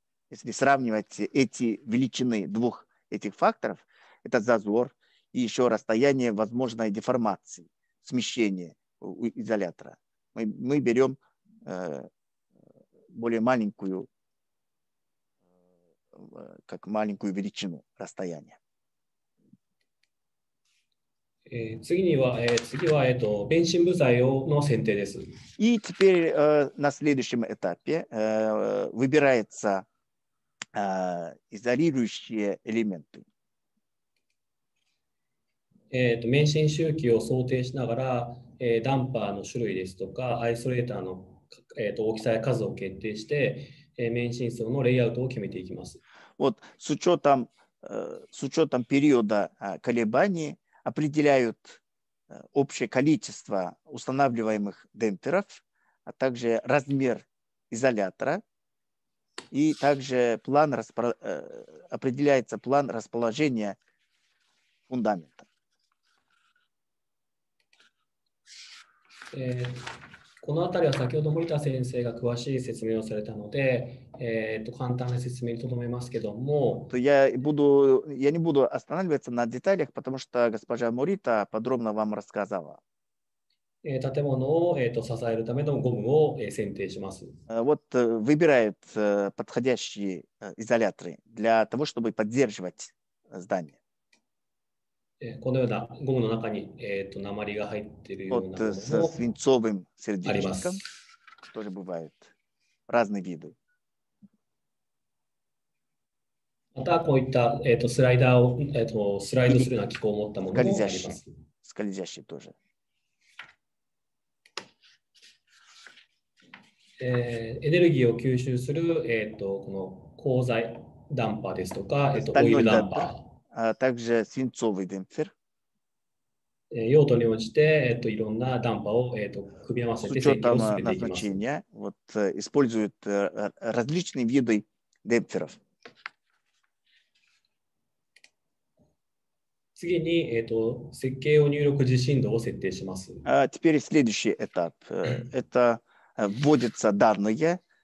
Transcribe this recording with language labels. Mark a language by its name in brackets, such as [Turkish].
[Russian] Если сравнивать эти величины двух этих факторов, это зазор и еще расстояние возможной деформации, смещения изолятора. Мы берем более маленькую, как маленькую величину расстояния. [Japanese] 次は、免震部材の選定です。 [Russian] И теперь на следующем этапе выбирается изолирующие элементы. [Japanese] 免震周期を想定しながら、ダンパーの種類ですとか、アイソレーターの、大きさや数を決定して、免震層のレイアウトを決めていきます。 [Russian] Вот, с учетом периода колебаний, определяют общее количество устанавливаемых демпферов, а также размер изолятора, и также план определяется план расположения фундамента. [Japanese] この辺りは先ほど森田先生が詳しい説明をされたので、簡単な説明にとどめますけども。 [Russian] Я не буду останавливаться на деталях, потому что госпожа Морита подробно вам рассказала. [Japanese] 建物を、支えるためのゴムを、選定します。 [Russian] Вот выбирают подходящие изоляторы для того, чтобы поддерживать здание. [Japanese] このようなゴムの中に、鉛が入っているようなものもあります。 [Russian] тоже бывает разные виды。 [Japanese] またこういった、スライダーを、スライドするような機構を持ったものもあります。スカリジャッシュ [Russian] тоже。 [Japanese] エネルギーを吸収する、この鋼材ダンパーですとか、オイルダンパー。 [Russian] А также свинцовый демпфер. [Japanese] 用途に応じて、いろんなダンパーを、組み合わせて設計を進めていきます。 [Russian] Вот, используют различные виды демпферов. [Japanese] 次に、設計を入力時震度を設定します。 [Russian] А теперь следующий этап. Это вводятся данные.